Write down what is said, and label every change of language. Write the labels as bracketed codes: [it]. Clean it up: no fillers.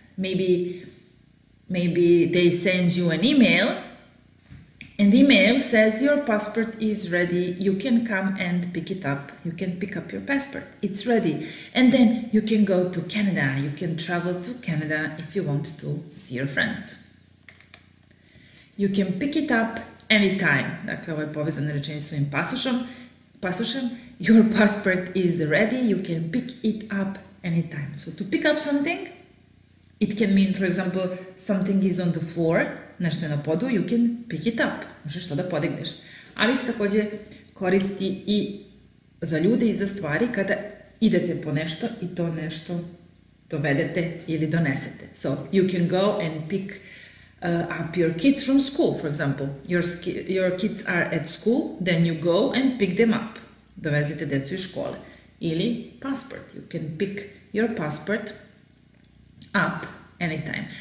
[en] Maybe they send you an email, and the email says your passport is ready. You can come and pick it up. You can pick up your passport. It's ready. And then you can go to Canada. You can travel to Canada if you want to see your friends. You can pick it up anytime. [sr] Dakle, ovo je povezano rečenje s ovim pasošom. [en] Pasošem, your passport is ready, you can pick it up anytime. So to pick up something, it can mean, for example, something is on the floor, [sr] nešto je na podu, [en] you can pick it up. [sr] Možeš to da podigneš. Ali se takođe koristi i za ljude i za stvari kada idete po nešto i to nešto dovedete ili donesete. [en] So you can go and pick up your kids from school, for example. Your kids are at school, then you go and pick them up. [sr] Dovezite decu iz škole. Ili [en] passport. You can pick your passport up anytime.